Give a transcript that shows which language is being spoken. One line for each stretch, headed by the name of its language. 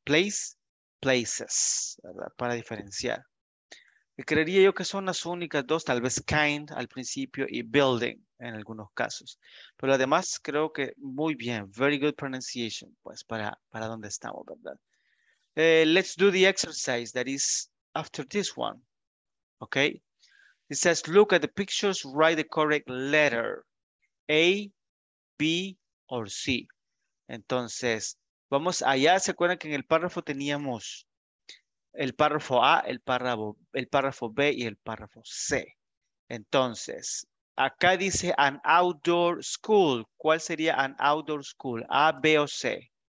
Spanish: Place, places, ¿verdad? Para diferenciar. Y creería yo que son las únicas dos, tal vez kind al principio y building en algunos casos. Pero además creo que muy bien,
English: very good pronunciation,
Spanish: pues para donde estamos, ¿verdad?
English: Let's do the exercise that is after this one, okay? It says, look at the pictures, write the correct letter, A, B, or C.
Spanish: Entonces, vamos allá, ¿se acuerdan que en el párrafo teníamos el párrafo A, el párrafo B y el párrafo C? Entonces, acá dice an outdoor school. ¿Cuál sería an outdoor school? ¿A, B o C?